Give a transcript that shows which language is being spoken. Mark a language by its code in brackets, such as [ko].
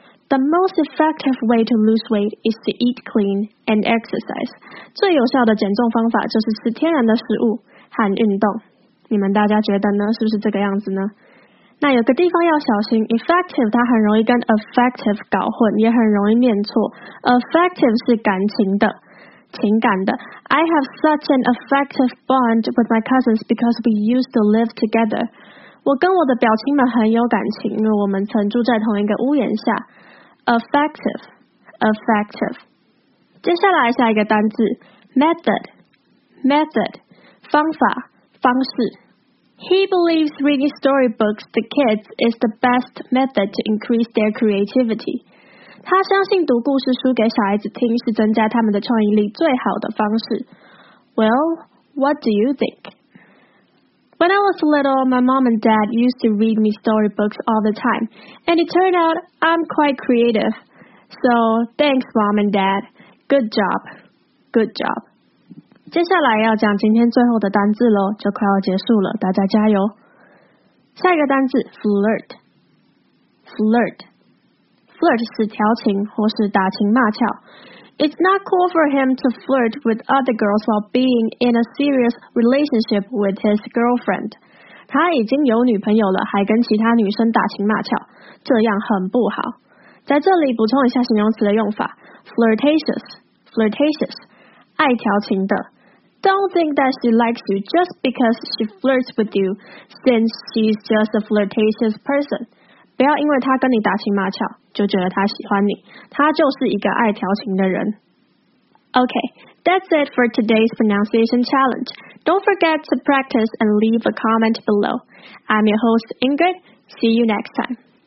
[en] The most effective way to lose weight is to eat clean and exercise. [zh] 最有效的减重方法就是吃天然的食物和运动。你们大家觉得呢？是不是这个样子呢？那有个地方要小心， effective 它很容易跟 effective 搞混，也很容易念错。 effective 是感情的，情感的。 [en] I have such an effective bond with my cousins because we used to live together. [zh] 我跟我的表亲们很有感情，因为我们曾住在同一个屋檐下。 effective, effective. 接下来下一个单字， method, method, 方法，方式。 [en] He believes reading storybooks to kids is the best method to increase their creativity. [zh] 他相信读故事书给小孩子听是增加他们的创意力最好的方式。 [en] Well, what do you think? When I was little, my mom and dad used to read me storybooks all the time, and it turned out I'm quite creative. So, thanks mom and dad. Good job. Good job. [zh] 接下来要讲今天最后的单字咯，就快要结束了，大家加油。下一个单字 flirt， flirt， flirt 是调情或是打情骂俏。 [en] It's not cool for him to flirt with other girls while being in a serious relationship with his girlfriend. [zh] 他已经有女朋友了，还跟其他女生打情骂俏，这样很不好。在这里补充一下形容词的用法， flirtatious， flirtatious，爱调情的。 [en] Don't think that she likes you just because she flirts with you, since she's just a flirtatious person. [zh] 不要因为她跟你打情骂俏就觉得她喜欢你，她就是一个爱调情的人。 [en] Okay, that's it for today's pronunciation challenge. Don't forget to practice and leave a comment below. I'm your host Ingrid. See you next time.